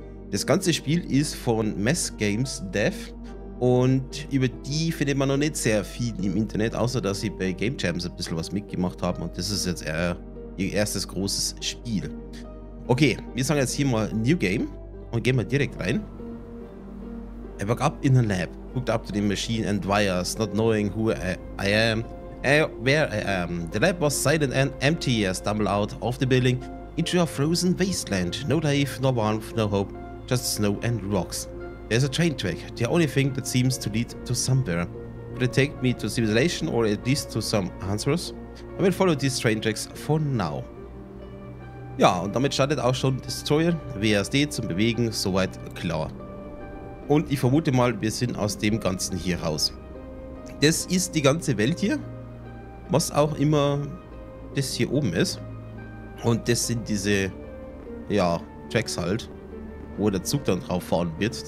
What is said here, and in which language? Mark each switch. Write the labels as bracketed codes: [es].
[de] Das ganze Spiel ist von Mess Games Dev und über die findet man noch nicht sehr viel im Internet, außer dass sie bei Game Jams ein bisschen was mitgemacht haben und das ist jetzt ihr erstes großes Spiel. Okay, wir sagen jetzt hier mal New Game und gehen mal direkt rein. [en] I woke up in a lab, hooked up to the machine and wires, not knowing who I am. The lab was silent and empty. I stumbled out of the building into a frozen wasteland. No life, no warmth, no hope. Just snow and rocks. There's a train track, the only thing that seems to lead to somewhere. Could it take me to civilization or at least to some answers? I will follow these train tracks for now. [de] Ja, und damit startet auch schon das Tutorial. WASD zum Bewegen, soweit klar. Und ich vermute mal, wir sind aus dem Ganzen hier raus. Das ist die ganze Welt hier. Was auch immer das hier oben ist. Und das sind diese, ja, Tracks halt, wo der Zug dann drauf fahren wird.